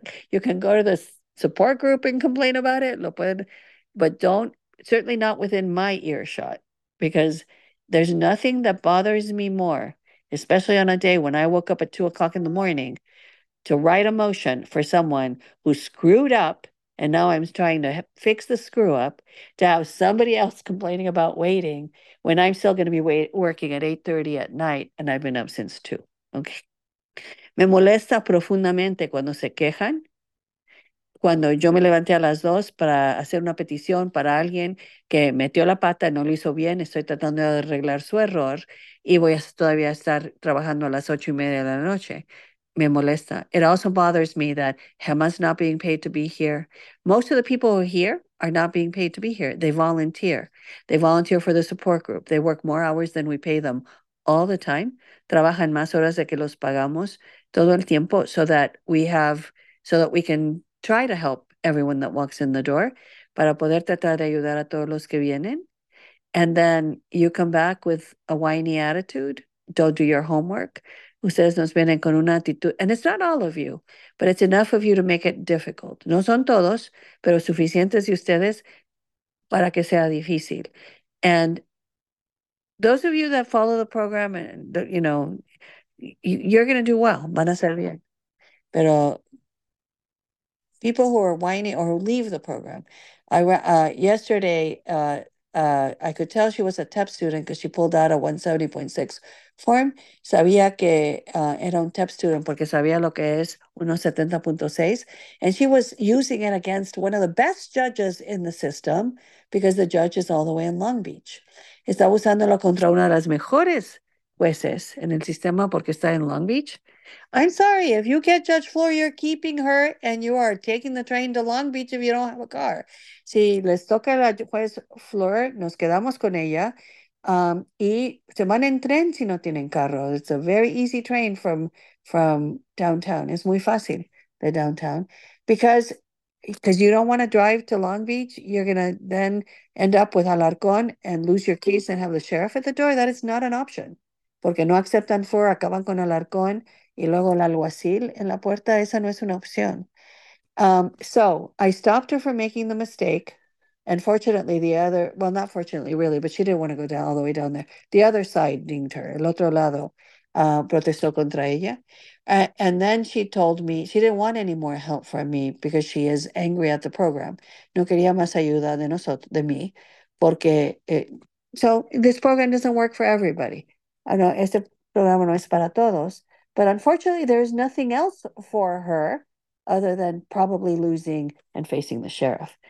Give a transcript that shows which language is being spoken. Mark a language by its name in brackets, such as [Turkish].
[English] You can go to the support group and complain about it. But don't, certainly not within my earshot, because there's nothing that bothers me more, especially on a day when I woke up at 2 o'clock in the morning to write a motion for someone who screwed up. And now I'm trying to fix the screw up, to have somebody else complaining about waiting when I'm still going to be working at 8:30 at night. And I've been up since 2. Okay. [Spanish] Me molesta profundamente cuando se quejan, cuando yo me levanté a las 2 para hacer una petición para alguien que metió la pata, no lo hizo bien, estoy tratando de arreglar su error y voy a todavía estar trabajando a las 8:30 de la noche. Me molesta. [English] It also bothers me that Gemma's not being paid to be here. Most of the people who are here are not being paid to be here. They volunteer. They volunteer for the support group. They work more hours than we pay them all the time. [Spanish] Trabajan más horas de que los pagamos todo el tiempo [English] so that we can try to help everyone that walks in the door, [Spanish] para poder tratar de ayudar a todos los que vienen. [English] And then you come back with a whiny attitude, don't do your homework. [Spanish] Ustedes nos vienen con una actitud, [English] and it's not all of you, but it's enough of you to make it difficult. [Spanish] No son todos, pero suficientes de ustedes para que sea difícil. [English] And those of you that follow the program, and you know, you're going to do well. [Spanish] Van a ser bien. [English] Pero people who are whining or who leave the program. Yesterday, I could tell she was a TEP student because she pulled out a 170.6 form. [Spanish] Sabía que era un TEP student porque sabía lo que es 170.6. [English] And she was using it against one of the best judges in the system because the judge is all the way in Long Beach. [Spanish] Estaba usándolo contra una de las mejores jueces en el sistema porque está en Long Beach. [English] I'm sorry, if you get Judge Flor, you're keeping her and you are taking the train to Long Beach if you don't have a car. [Spanish] Si les toca la juez Flor, nos quedamos con ella. Y se van en tren si no tienen carro. [English] It's a very easy train from downtown. [Spanish] Es muy fácil, the downtown. [English] Because you don't want to drive to Long Beach, you're going to then end up with Alarcón and lose your case and have the sheriff at the door. That is not an option. [Spanish] Porque no aceptan Flor, acaban con Alarcón y luego el alguacil en la puerta. Esa no es una opción. [English] So I stopped her from making the mistake. And fortunately, not fortunately, really, but she didn't want to go down all the way down there. The other side dinged her. [Spanish] El otro lado protestó contra ella. [English] And then she told me she didn't want any more help from me because she is angry at the program. [Spanish] No quería más ayuda de nosotros, de mí, porque... [English] So this program doesn't work for everybody. I know [Spanish] este programa no es para todos, [English] but unfortunately there is nothing else for her other than probably losing and facing the sheriff.